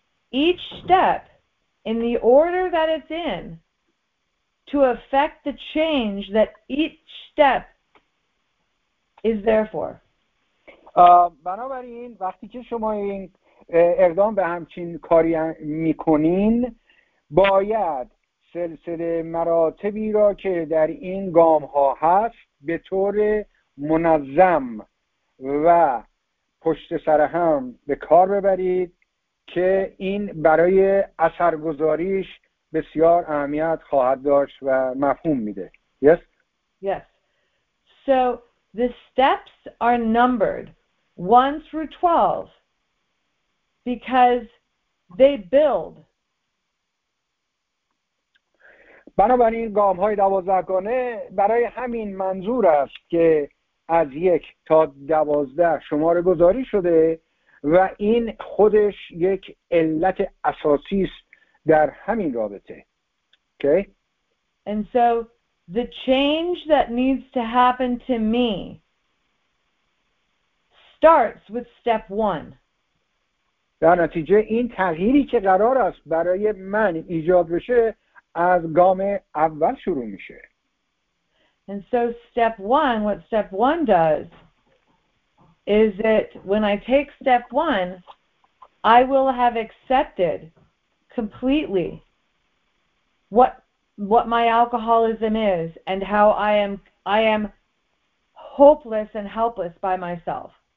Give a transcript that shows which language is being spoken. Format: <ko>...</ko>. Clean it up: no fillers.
<en>Each step in the order that it's in, to affect the change that each step is there for.</en> <fa>بنابراین وقتی که شما این اقدام به همچین کاری میکنین باید سلسله مراتبی را که در این گام ها هست به طور منظم و پشت سر هم به کار ببرید که این برای اثرگذاریش بسیار اهمیت خواهد داشت و مفهوم میده.</fa> <en>Yes. Yes. So the steps are numbered 1 through 12 because they build.</en> <fa>بنابراین گام های 12 گانه برای همین منظور است که از 1 تا 12 شماره گذاری شده و این خودش یک علت اساسی است در همین رابطه.</fa> <en>Okay. And so the change that needs to happen to me starts with step 1.</en> <fa>در نتیجه این تغییری که قرار است برای من ایجاد بشه از گام اول شروع میشه.</fa> <en>And so step 1, what step 1 does is it when I take step 1, I will have accepted completely what my alcoholism is and how I am hopeless and helpless by myself.</en>